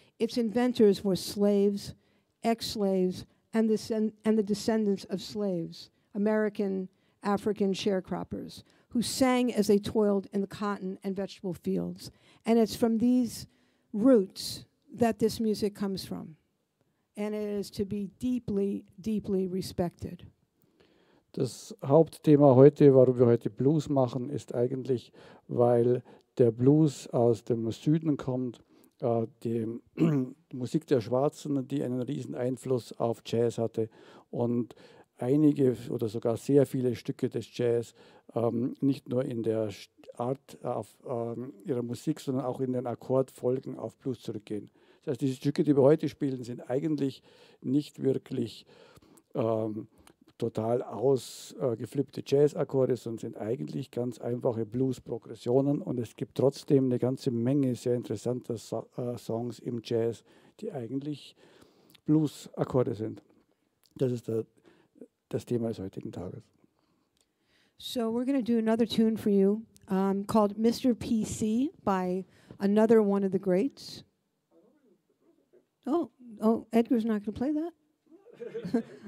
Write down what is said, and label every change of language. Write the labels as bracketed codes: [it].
[en] Its inventors were slaves, ex-slaves, and the descendants of slaves, American, African sharecroppers, who sang as they toiled in the cotton and vegetable fields. And it's from these roots that this music comes from. And it is to be deeply, deeply respected. [de] Das Hauptthema heute, warum wir heute Blues machen, ist eigentlich, weil der Blues aus dem Süden kommt, die Musik der Schwarzen, die einen riesen Einfluss auf Jazz hatte. Und einige oder sogar sehr viele Stücke des Jazz, nicht nur in der Art auf ihrer Musik, sondern auch in den Akkordfolgen auf Blues zurückgehen. Das heißt, diese Stücke, die wir heute spielen, sind eigentlich nicht wirklich total ausgeflippte Jazz-Akkorde, sondern sind eigentlich ganz einfache Blues-Progressionen. Und es gibt trotzdem eine ganze Menge sehr interessanter Songs im Jazz, die eigentlich Blues-Akkorde sind. Das ist das Thema des heutigen Tages. [en] So we're going to do another tune for you called Mr. PC by another one of the greats. Oh, Edgar's not going to play that.